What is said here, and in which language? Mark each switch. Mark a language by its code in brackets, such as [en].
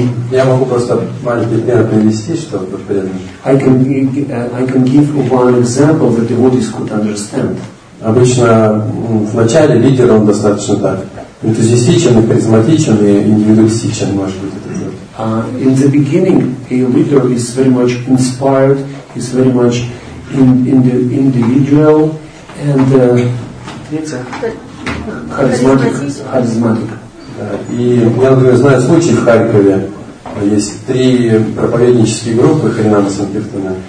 [ru] Я могу просто маленький пример привести, чтобы быть преданным. [en] I can give one example that devotees could understand. [ru] Обычно в начале лидер он достаточно так энтузиастичен, харизматичен и индивидуалистичен, может быть, это будет. [en] In the beginning, a leader is very much inspired, is very much individual and charismatic. [ru] И я, например, знаю случай в Харькове. Есть три проповеднические группы Харинама Санкиртана.